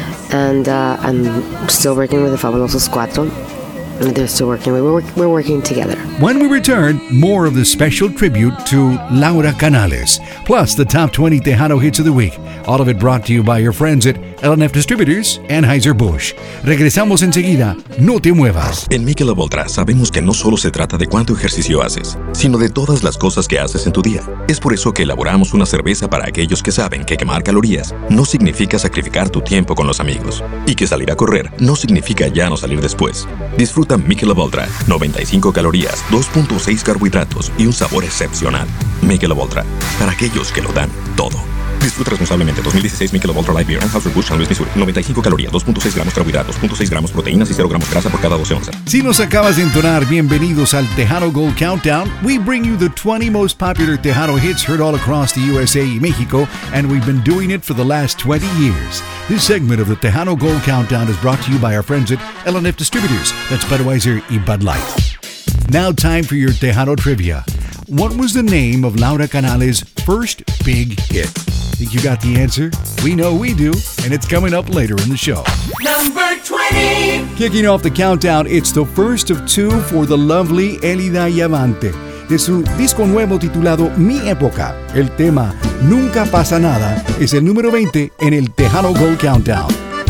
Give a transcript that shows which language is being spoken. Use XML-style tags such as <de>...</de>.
<en>And I'm still working with the Fabulosos Cuatro. They're still working. We're working together. When we return, more of the special tribute to Laura Canales, plus the top 20 Tejano hits of the week. All of it brought to you by your friends at L&F Distributors and Anheuser-Busch.</en> <es>Regresamos enseguida. No te muevas. En Michelob Ultra sabemos que no solo se trata de cuánto ejercicio haces, sino de todas las cosas que haces en tu día. Es por eso que elaboramos una cerveza para aquellos que saben que quemar calorías no significa sacrificar tu tiempo con los amigos, y que salir a correr no significa ya no salir después. Disfruta Michelob Ultra. 95 calorías, 2.6 carbohidratos y un sabor excepcional. Michelob Ultra, para aquellos que lo dan todo. Disfruta responsablemente. 2016 Michelob Ultra Light Beer, Anheuser-Busch, San Luis, Missouri. 95 calorías, 2.6 gramos carbohidratos, 0.6 gramos proteínas y 0 gramos grasa por cada 12 onzas. Si nos acabas de entonar, bienvenidos al Tejano Gold Countdown.</es> <en>We bring you the 20 most popular Tejano hits heard all across the USA y México, and we've been doing it for the last 20 years. This segment of the Tejano Gold Countdown is brought to you by our friends at L&F Distributors. That's Budweiser y Bud Light. Now time for your Tejano trivia. What was the name of Laura Canales' first big hit? Think you got the answer? We know we do, and it's coming up later in the show. Number 20! Kicking off the countdown, it's the first of two for the lovely Elida Yavante.</en> <es>De su disco nuevo titulado Mi Época, el tema Nunca Pasa Nada es el número 20 en el Tejano Gold Countdown.</es>